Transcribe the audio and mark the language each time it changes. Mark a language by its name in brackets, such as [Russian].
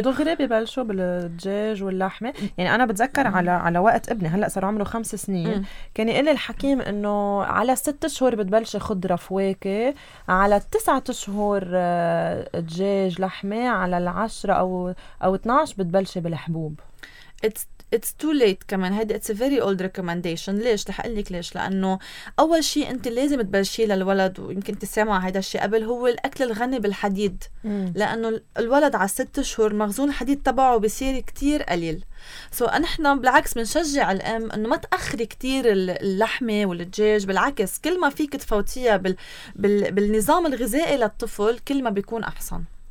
[Arabic] دغري ببلشوا بالدجاج واللحمة. يعني أنا بتذكر على وقت ابني هلأ صار عمره 5 سنين كان يقول الحكيم إنه على 6 شهور بتبلش خضرة فواكه، على 9 شهور دجاج لحمة، على 10 أو 12 بتبلش بالحبوب. [English] It's too late [Arabic] كمان، هيدا [English] it's a very old recommendation. [Arabic] ليش؟ رح أقول لك ليش. لأنه أول شيء أنت لازم تبلشي للولد، ويمكن أنت سامع هيدا الشيء قبل، هو الأكل الغني بالحديد. لأنه الولد على 6 شهور مخزون الحديد تبعه بيصير كتير قليل. سو نحن بالعكس بنشجع الأم أنه ما تأخري كتير اللحمة والدجاج، بالعكس كل ما فيك تفوتيها بالنظام الغذائي للطفل كل ما بيكون أحسن.